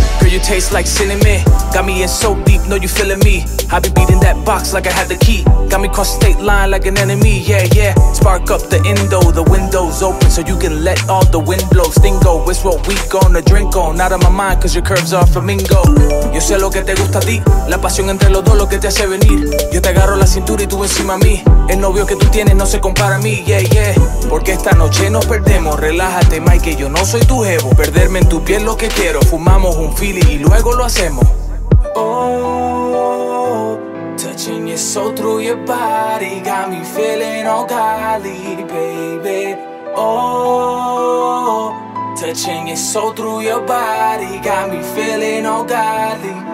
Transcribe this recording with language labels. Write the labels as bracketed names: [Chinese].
[English] Girl, you taste like cinnamon, got me in so deep, know you feeling me. I be beating that box like I had the key. Got me cross state line like an enemy, yeah, yeah. Spark up the endo, the window's open so you can let all the wind blow. Stingo, it's what we gonna drink on. Out of my mind cause your curves are flamingo. [Spanish] Yo sé lo que te gusta a ti, la pasión entre los dos lo que te hace venir. Yo te agarro la cintura y tú encima a mí. El novio que tú tienes no se compara a mí, yeah, yeah. Porque esta noche nos perdemos. Relájate, Mike, que yo no soy tu jevo. Perderme en tu piel lo que quiero. Fumamos un Philly y luego lo hacemos. [English] Oh, touching your soul through your body. Got me feeling all godly, baby. Oh, touching your soul through your body. Got me feeling all godly.